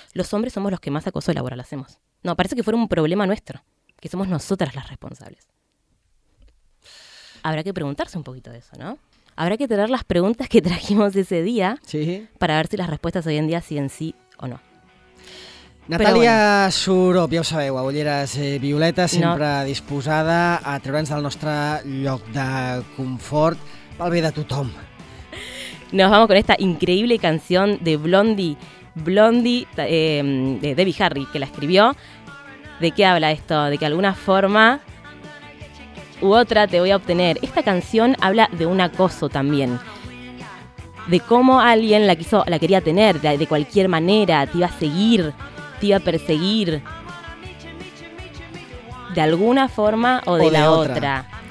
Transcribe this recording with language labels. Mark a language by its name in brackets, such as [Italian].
[Spanish] Los hombres somos los que más acoso laboral hacemos. No, parece que fuera un problema nuestro, que somos nosotras las responsables. Habrá que preguntarse un poquito de eso, ¿no? Habrá que traer las preguntas que trajimos ese día, ¿sí?, para ver si las respuestas hoy en día siguen sí o no. [Catalan] Natàlia, bueno. Surop, ja ho sabeu, a Ulleres Violeta, sempre no. Disposada a treure'ns del nostre lloc de confort pel bé de tothom. [Spanish] Nos vamos con esta increíble canción de Blondie, de Debbie Harry, que la escribió. ¿De qué habla esto? De que alguna forma u otra te voy a obtener. Esta canción habla de un acoso también. De cómo alguien la quería tener, de cualquier manera, te iba a seguir, iba a perseguir de alguna forma o de la otra.